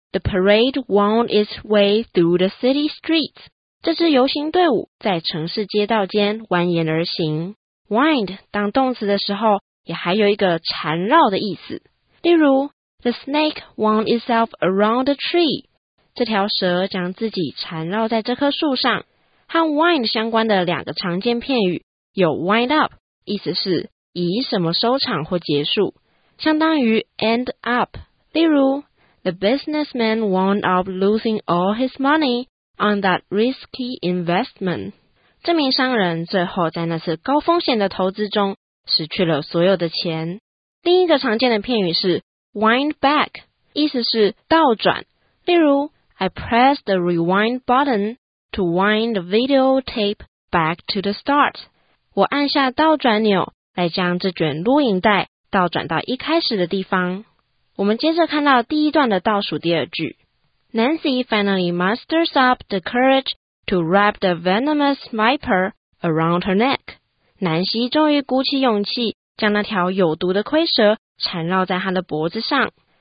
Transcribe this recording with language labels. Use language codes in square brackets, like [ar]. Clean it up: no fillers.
[en] The parade wound its way through the city streets. [zh] 这支游行队伍在城市街道间蜿蜒而行。 Wind 当动词的时候也还有一个缠绕的意思。例如 [en] The snake wound itself around the tree. [zh] 这条蛇将自己缠绕在这棵树上。和 wind 相关的两个常见片语有 wind up, 意思是以什么收场或结束。相当于 [en] end up, [zh] 例如 [en] The businessman wound up losing all his money on that risky investment. [zh] 这名商人最后在那次高风险的投资中失去了所有的钱。另一个常见的片语是 wind back, 意思是倒转。例如 [en] I pressed the rewind button to wind the videotape back to the start. [zh] 我按下倒转钮来将这卷录影带倒转到一开始的地方。我们接着看到第一段的倒数第二句。 [en] Nancy finally musters up the courage to wrap the venomous viper around her neck. [zh] 南希终于鼓起勇气将那条有毒的蝰蛇缠绕在她的脖子上。